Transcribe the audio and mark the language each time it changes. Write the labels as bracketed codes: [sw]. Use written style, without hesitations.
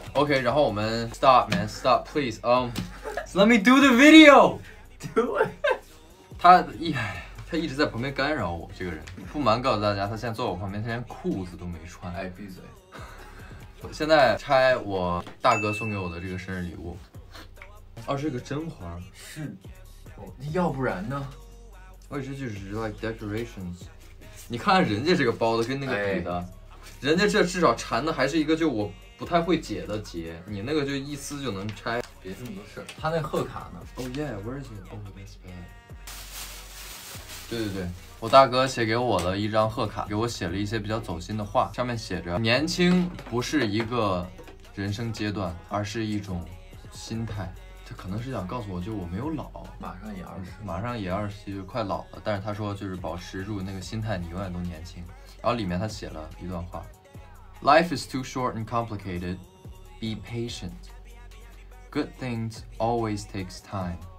[en] OK， [zh] 然后我们 [en] stop, man, stop, please. Let me do the video. Do it. [zh] 他一直在旁边干扰我，这个人不瞒告诉大家，他现在坐我旁边，他连裤子都没穿。哎，闭嘴！我现在拆我大哥送给我的这个生日礼物。哦，是个真花。是，哦，要不然呢？我这就是 [en] like decorations。 [zh] 你看人家这个包的跟那个比的，哎，人家这至少缠的还是一个就我不太会解的结，你那个就一撕就能拆。别这么多事，他那贺卡呢 [en] ？Oh yeah, where is it? Oh, that's bad. [zh] 对对对，我大哥写给我的一张贺卡，给我写了一些比较走心的话，上面写着年轻不是一个人生阶段，而是一种心态。他可能是想告诉我，就我没有老，马上也二十，就快老了，但是他说就是保持住那个心态，你永远都年轻。然后里面他写了一段话， [en] Life is too short and complicated, be patient. Good things always takes time.